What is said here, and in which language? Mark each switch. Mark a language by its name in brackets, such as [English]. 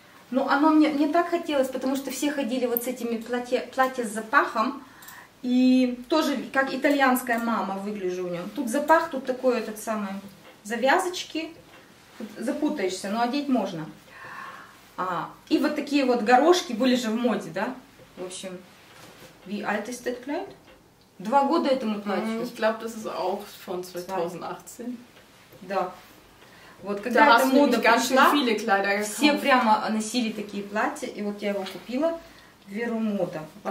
[Russian] Но оно мне так хотелось, потому что все ходили вот с этими платья с запахом. И тоже как итальянская мама выгляжу у нее. Тут запах, тут такой этот самый, завязочки. Тут запутаешься, но одеть можно. И вот такие вот горошки были же в моде, да? В общем, [German] wie alt ist das Kleid? [Russian] 2 года этому платью. [German] Ich glaube, das ist auch von 2018. [Russian] Да. Вот когда эта мода пришла, [German] viele Kleider gekauft. [Russian] Все прямо носили такие платья, и вот я его купила в Веру Мода.